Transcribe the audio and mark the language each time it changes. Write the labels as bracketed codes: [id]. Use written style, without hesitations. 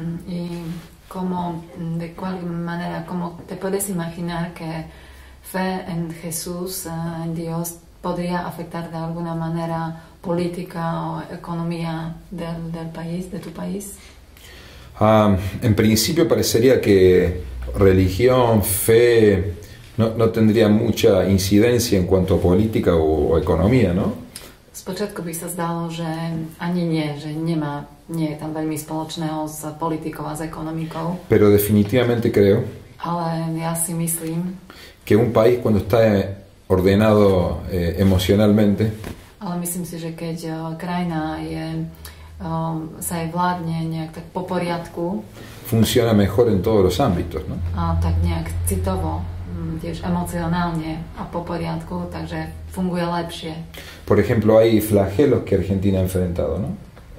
[es] Y como de cual manera como te puedes imaginar que fe en Jesús en Dios podría afectar de alguna manera política o economía del país, de tu país? En principio parecería que religión, fe, no tendría mucha incidencia en cuanto a política o economía, ¿no? [sk] Spočiatku by sa zdalo, že ani nie, že nemá, nie je tam veľmi spoločného s politikou a s ekonomikou. [es] Pero definitivamente creo. [sk] Ale ja si myslím, [es] que un país cuando está ordenado emocionalmente. [sk] Ale myslím si, že keď krajina je sa jej vládne nejak tak po poriadku, [es] funciona mejor en todos los ámbitos, ¿no? [sk] A tak nejak citovo, tiež emocionálne a po poriadku, takže funguje lepšie. [es] Por ejemplo, hay flagelos que Argentina ha enfrentado, ¿no?